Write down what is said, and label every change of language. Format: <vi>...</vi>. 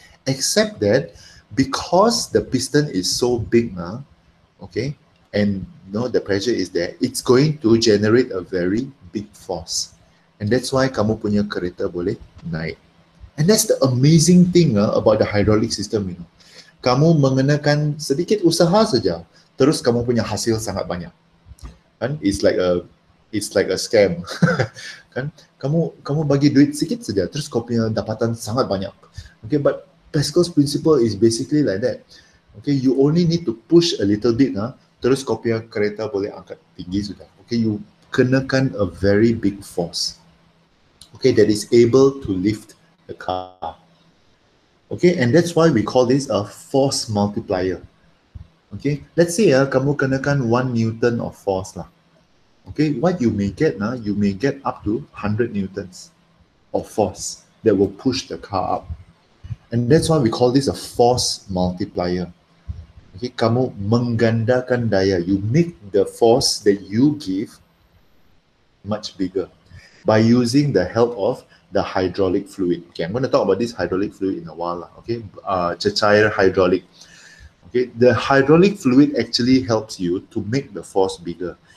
<en>Except that because the piston is so big, okay, and the pressure is there, it's going to generate a very big force. And that's why</en> <ms>kamu punya kereta boleh naik.</ms> <en>And that's the amazing thing about the hydraulic system. You know,</en> <ms>kamu mengenakan sedikit usaha saja, terus kamu punya hasil sangat banyak. Kan?</ms> <en>It's like a scam. Kan?</en> <ms>Kamu bagi duit sedikit saja, terus kamu punya dapatan sangat banyak.</ms> <en>Okay, but Pascal's principle is basically like that. Okay, you only need to push a little bit,</en> <ms>terus kamu punya kereta boleh angkat tinggi sudah.</ms> <en>Okay, you kenakan a very big force. Okay, that is able to lift the car. Okay, and that's why we call this a force multiplier. Okay, let's say</en> <ms>kamu kenakan</ms> <en>1 newton of force lah. Okay, what you may get now, you may get up to 100 newtons of force that will push the car up. And that's why we call this a force multiplier.</en> <ms>Okay, kamu menggandakan daya.</ms> <en>You make the force that you give much bigger by using the help of the hydraulic fluid. Okay, I'm going to talk about this hydraulic fluid in a while. Okay,</en> <ms>cecair hydraulic.</ms> <en>Okay, the hydraulic fluid actually helps you to make the force bigger.</en>